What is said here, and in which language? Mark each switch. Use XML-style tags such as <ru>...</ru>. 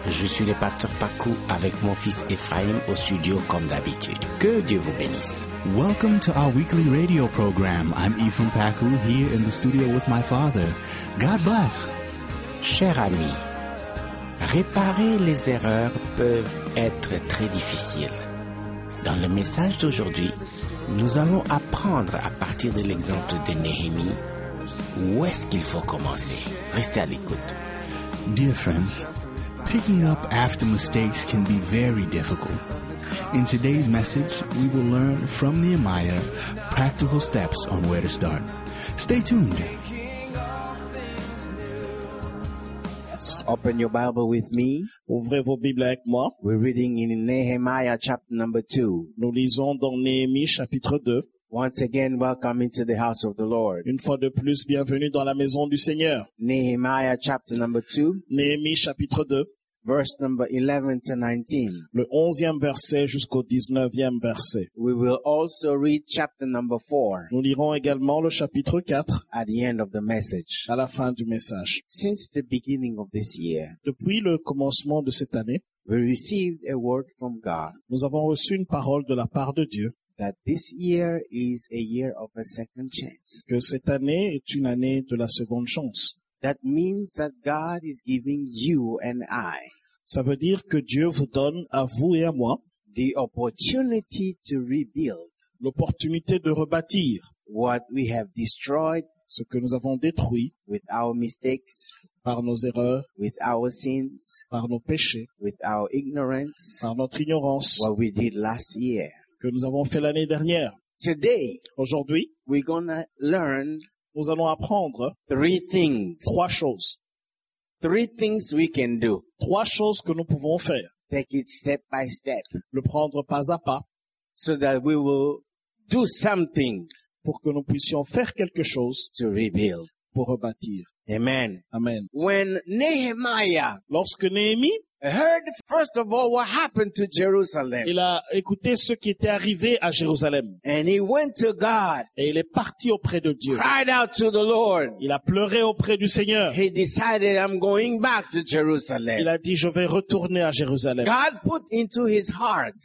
<fr>Je suis le pasteur Pakou avec mon fils Ephraim au studio comme d'habitude. Que Dieu vous bénisse.</fr> <en>Welcome to our weekly radio program. I'm Ephraim Pakou here in the studio with my father. God bless.</en> <fr>Chers amis, réparer les erreurs peuvent être très difficiles. Dans le message d'aujourd'hui, nous allons apprendre à partir de l'exemple de Néhémie. Où est-ce qu'il faut commencer? Restez à l'écoute.</fr> <en>Dear friends, picking up after mistakes can be very difficult. In today's message, we will learn from Nehemiah practical steps on where to start. Stay tuned. Open your Bible with me.</en> <fr>Ouvrez vos Bibles avec moi.</fr> <en>We're reading in Nehemiah chapter number 2.</en> <fr>Nous lisons dans Néhémie chapitre 2.</fr> <en>Once again, welcome into the house of the Lord.</en> <fr>Une fois de plus, bienvenue dans la maison du Seigneur.</fr> <en>Nehemiah chapter number 2.</en> <fr>Néhémie chapitre 2.</fr> <en>Verse number 11 to 19.</en> <fr>Le 11e verset jusqu'au 19e verset.</fr> <en>We will also read chapter number 4.</en> <fr>Nous lirons également le chapitre 4.</fr> <en>At the end of the message.</en> <fr>À la fin du message.</fr> <en>Since the beginning of this year.</en> <fr>Depuis le commencement de cette année.</fr> <en>We received a word from God.</en> <fr>Nous avons reçu une parole de la part de Dieu.</fr> <en>That this year is a year of a second chance.</en> <fr>Que cette année est une année de la seconde chance.</fr> <en>That means that God is giving you and I.</en> <fr>Ça veut dire que Dieu vous donne à vous et à moi.</fr> <en>The opportunity to rebuild.</en> <fr>L'opportunité de rebâtir.</fr> <en>What we have destroyed.</en> <fr>Ce que nous avons détruit.</fr> <en>With our mistakes.</en> <fr>Par nos erreurs,</fr> <en>with our sins.</en> <fr>Par nos péchés,</fr> <en>with our ignorance.</en> <fr>Par notre ignorance.</fr> <en>What we did last year.</en> <fr>Que nous avons fait l'année dernière.</fr> <en>Today,</en> <fr>aujourd'hui,</fr> <en>we're gonna learn,</en> <fr>nous allons apprendre</fr> <en>three things,</en> <fr>trois choses.</fr> <en>Three things we can do.</en> <fr>Trois choses que nous pouvons faire.</fr> <en>Take it step by step,</en> <fr>le prendre pas à pas.</fr> <en>So that we will do something,</en> <fr>pour que nous puissions faire quelque chose</fr> <en>to rebuild,</en> <fr>pour rebâtir.</fr> <en>Amen.</en> <fr>Amen.</fr> <en>When Nehemiah,</en> <fr>lorsque Néhémie,</fr> <en>heard first of all what happened to Jerusalem.</en> <fr>Il a écouté ce qui était arrivé à Jérusalem.</fr> <en>And he went to God.</en> <fr>Et il est parti auprès de Dieu.</fr> <en>Cried out to the Lord.</en> <fr>Il a pleuré auprès du Seigneur.</fr> <en>He decided, I'm going back to Jerusalem.</en> <fr>Il a dit, je vais retourner à Jérusalem.</fr> <en>God put into his heart.</en>